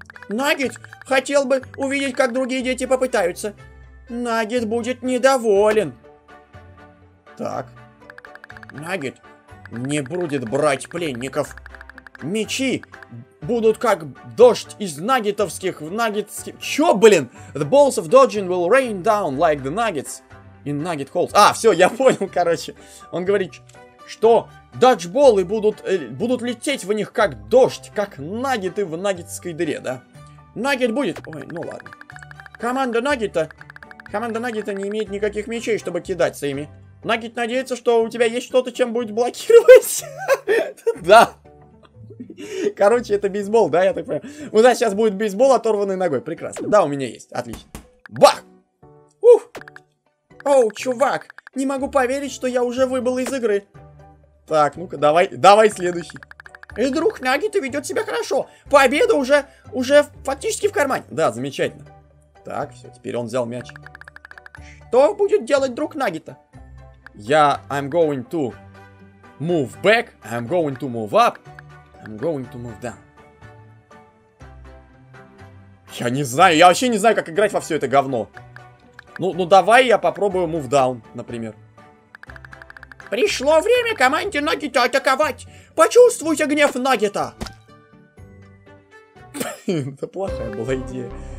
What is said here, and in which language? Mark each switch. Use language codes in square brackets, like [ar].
[ru] Нагит хотел бы увидеть, как другие дети попытаются. Нагит будет недоволен. Так. Нагит не будет брать пленников. Мечи будут как дождь из нагетовских в нагетских... Чё, блин? [en] The balls of dodging will rain down like the nuggets in nugget holes. [ru] А, все, я понял, короче. Он говорит, что доджболы будут лететь в них как дождь, как нагеты в нагетской дыре, да? Нагит будет... Ой, ну ладно. Команда Нагита... Команда Нагита не имеет никаких мечей, чтобы кидаться ими. Нагит надеется, что у тебя есть что-то, чем будет блокировать. Да. Короче, это бейсбол, да, я так понимаю. У нас сейчас будет бейсбол, оторванный ногой. Прекрасно. Да, у меня есть. Отлично. Бах! Ух! Оу, чувак! Не могу поверить, что я уже выбыл из игры. Так, ну-ка, давай следующий. И друг Нагита ведет себя хорошо. Победа уже фактически в кармане. Да, замечательно. Так, все, теперь он взял мяч. Что будет делать друг Нагита? [en] Я I'm going to move back, I'm going to move up, I'm going to move down. [ru] Я не знаю, я вообще не знаю, как играть во все это говно. Ну давай я попробую [en] move down, [ru] например. Пришло время команде Нагита атаковать! Почувствуйте гнев Нагита! Это плохая была идея.